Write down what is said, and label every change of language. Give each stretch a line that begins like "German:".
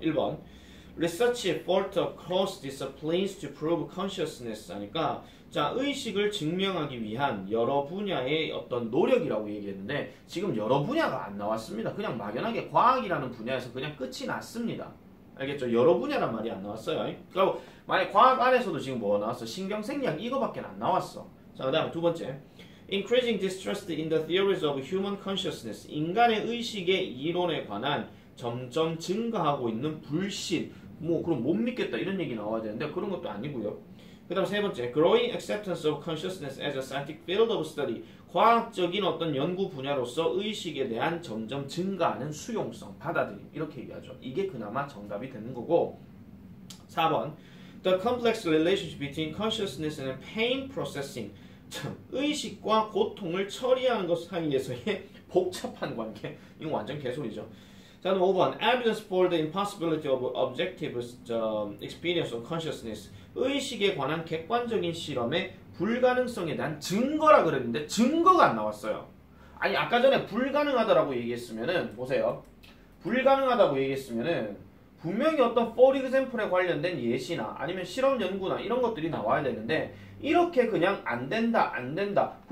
Korean: 1번.
English: Research effort across disciplines to prove consciousness
Korean: 하니까 자, 의식을 증명하기 위한 여러 분야의 어떤 노력이라고 얘기했는데 지금 여러 분야가 안 나왔습니다. 그냥 막연하게 과학이라는 분야에서 그냥 끝이 났습니다. 알겠죠? 여러 분야란 말이 안 나왔어요. 그리고 만약 과학 안에서도 지금 뭐 나왔어? 신경생리학 이거밖에 안 나왔어. 자, 그다음 두 번째.
English: Increasing distrust in the theories of human consciousness.
Korean: 인간의 의식의 이론에 관한 점점 증가하고 있는 불신. 뭐 그럼 못 믿겠다 이런 얘기 나와야 되는데 그런 것도 아니고요. 그다음 세 번째,
English: growing acceptance of consciousness as a scientific field of study.
Korean: 과학적인 어떤 연구 분야로서 의식에 대한 점점 증가하는 수용성, 받아들임 이렇게 얘기하죠. 이게 그나마 정답이 되는 거고.
English: 4번, the complex relationship between consciousness and pain processing.
Korean: 참, 의식과 고통을 처리하는 것 사이에서의 복잡한 관계. 이거 완전 개소리죠. 자, 5번.
English: Evidence for the impossibility of objective experience of consciousness.
Korean: 의식에 관한 객관적인 실험의 불가능성에 대한 증거라 그랬는데, 증거가 안 나왔어요. 아니, 아까 전에 불가능하다라고 얘기했으면은, 보세요. 불가능하다고 얘기했으면은, 분명히 어떤 for example에 관련된 예시나, 아니면 실험 연구나, 이런 것들이 나와야 되는데, 이렇게 그냥 안 된다, 안 된다.